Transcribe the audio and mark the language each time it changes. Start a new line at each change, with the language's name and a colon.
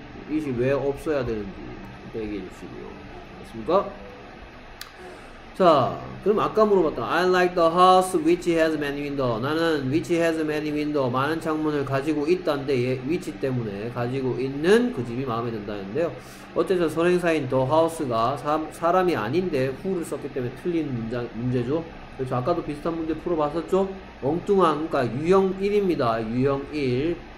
Korean: 이시 왜 없어야 되는지 얘기해 주시고요. 맞습니까? 자, 그럼 아까 물어봤다.
English: I like the house which has many windows.
Korean: 나는
English: which has many windows.
Korean: 많은 창문을 가지고 있다는데, 예, which 때문에 가지고 있는 그 집이 마음에 든다는데요. 어쨌든 선행사인 the house가 사람이 아닌데 who를 썼기 때문에 틀린 문제죠. 그렇죠. 아까도 비슷한 문제 풀어봤었죠. 엉뚱한, 그러니까 유형 1입니다. 유형 1.